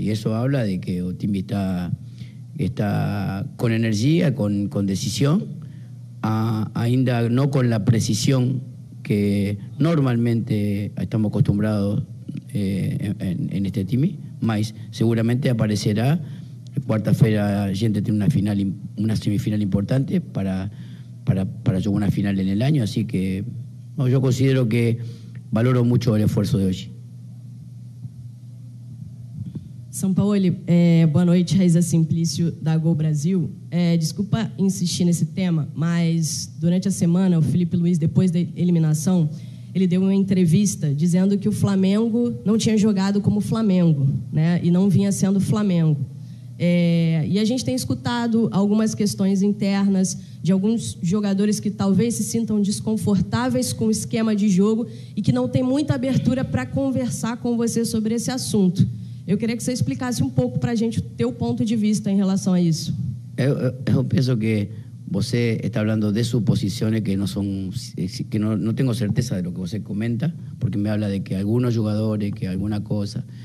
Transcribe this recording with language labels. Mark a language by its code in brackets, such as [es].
[es] Y eso habla de que Otimi está con energía, con decisión, ainda no con la precisión que normalmente estamos acostumbrados en este Timi, mas seguramente aparecerá cuarta feira, gente tiene una semifinal importante para jugar una final en el año, así que no, yo considero que valoro mucho el esfuerzo de hoy. [pt] Sampaoli, boa noite, Raíza Simplício, da Gol Brasil. Desculpa insistir nesse tema, mas durante a semana, o Felipe Luiz, depois da eliminação, ele deu uma entrevista dizendo que o Flamengo não tinha jogado como Flamengo, né? E não vinha sendo Flamengo. E a gente tem escutado algumas questões internas de alguns jogadores que talvez se sintam desconfortáveis com o esquema de jogo e que não tem muita abertura para conversar com você sobre esse assunto. Eu queria que você explicasse um pouco para a gente o teu ponto de vista em relação a isso. [es] Yo pienso que usted está hablando de suposiciones que no son, que no tengo certeza de lo que usted comenta, porque me habla de que algunos jugadores, que alguna cosa.